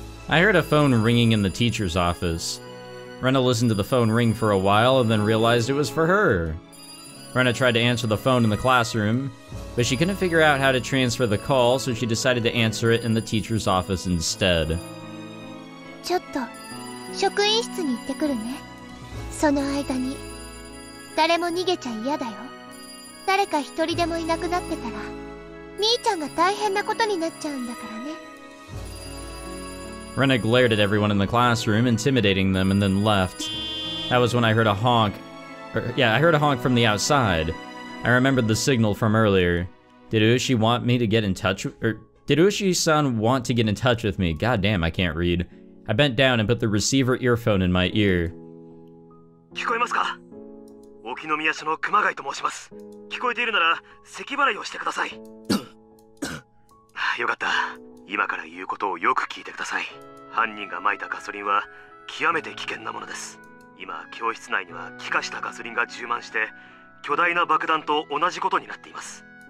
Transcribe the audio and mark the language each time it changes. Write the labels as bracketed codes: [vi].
[en] I heard a phone ringing in the teacher's office. Rena listened to the phone ring for a while and then realized it was for her. Rena tried to answer the phone in the classroom, but she couldn't figure out how to transfer the call, so she decided to answer it in the teacher's office instead. [ja] ちょっと、職員室に行ってくるね。その間に、誰も逃げちゃ嫌だよ。誰か一人でもいなくなってたら、兄ちゃんが大変なことになっちゃうんだからね。 [en] Rena glared at everyone in the classroom, intimidating them, and then left. That was when I heard a honk. I heard a honk from the outside. I remembered the signal from earlier. Did Uchi-san want to get in touch with me? God damn, I can't read. I bent down and put the receiver earphone in my ear. [ja] 聞こえますか？沖ノ宮署の熊谷と申します。聞こえているなら咳払いをしてください。よかった。今から言うことをよく聞いてください。犯人が撒いたガソリンは極めて危険なものです。今、教室内には気化したガソリンが充満して、巨大な爆弾と同じことになっています。